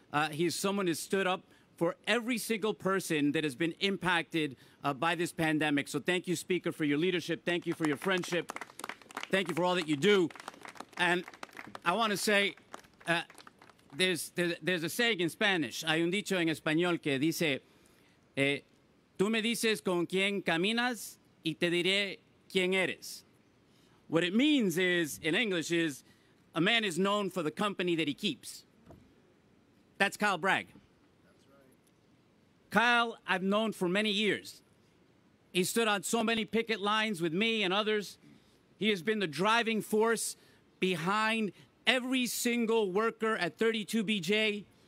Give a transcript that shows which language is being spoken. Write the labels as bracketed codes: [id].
[en] He's someone who stood up for every single person that has been impacted by this pandemic. So thank you, Speaker, for your leadership. Thank you for your friendship. Thank you for all that you do. And I want to say, there's a saying in Spanish. [es] Hay un dicho en español que dice, tú me dices con quién caminas y te diré quién eres. [en] What it means is, in English, is a man is known for the company that he keeps. That's Kyle Bragg. That's right. Kyle, I've known for many years. He stood on so many picket lines with me and others. He has been the driving force behind every single worker at 32BJ.